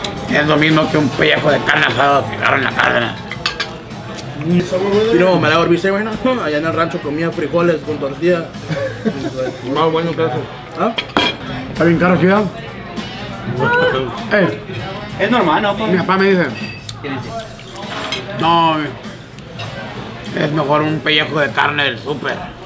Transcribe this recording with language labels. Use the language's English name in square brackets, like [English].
[Spanish] es lo mismo que un pellejo de carne asado que agarra en la carne. [English] You know what Malaga would be saying right now? [Spanish] Allá en el rancho comía frijoles con tortilla. Más bueno que eso. ¿Está bien caro, chica? Hey. Es normal, ¿no? Mi papá me dice. ¿Qué dice? No. Es mejor un pellejo de carne del súper.